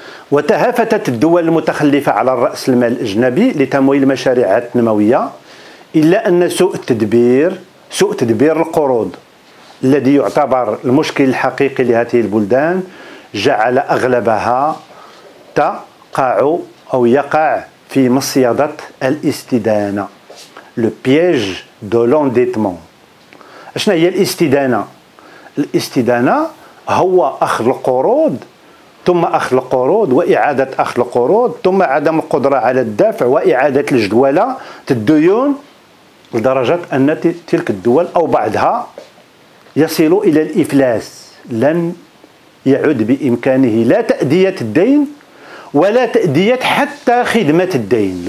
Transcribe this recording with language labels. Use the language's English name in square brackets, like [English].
[Arabic] وتهافتت الدول المتخلفة على الرأس المال الأجنبي لتمويل مشاريعها التنموية، إلا أن سوء تدبير القروض الذي يعتبر المشكل الحقيقي لهذه البلدان جعل أغلبها تقع أو يقع في مصيدة الاستدانة. [French] Le piège de l'endettement. Qu'est-ce qu'il y a l'istidana ? [Arabic] L'istidana, هو أخذ القروض ثم أخذ القروض وإعادة أخذ القروض ثم عدم القدرة على الدفع وإعادة الجدولة الديون لدرجة أن تلك الدول أو بعضها يصل إلى الإفلاس، لن يعد بإمكانه لا تأدية الدين ولا تأدية حتى خدمة الدين.